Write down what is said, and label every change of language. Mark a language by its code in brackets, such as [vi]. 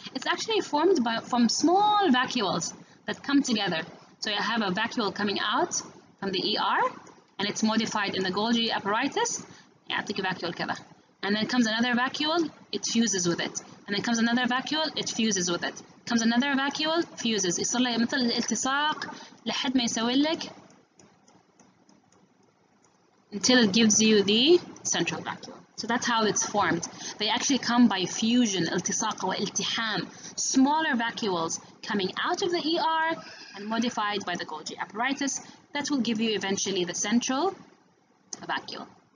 [en] It's actually formed by, from small vacuoles that come together. So you have a vacuole coming out from the ER, and it's modified in the Golgi apparatus. Yeah, take a vacuole كذا. And then comes another vacuole, it fuses with it. And then comes another vacuole, it fuses with it. Comes another vacuole, fuses. [ar] يصير له مثل الالتصاق لحد ما يسوي لك [en] until it gives you the central vacuole. So that's how it's formed. They actually come by fusion, [ar] التصاق والتحام. [en] Smaller vacuoles coming out of the ER and modified by the Golgi apparatus. That will give you eventually the central vacuole.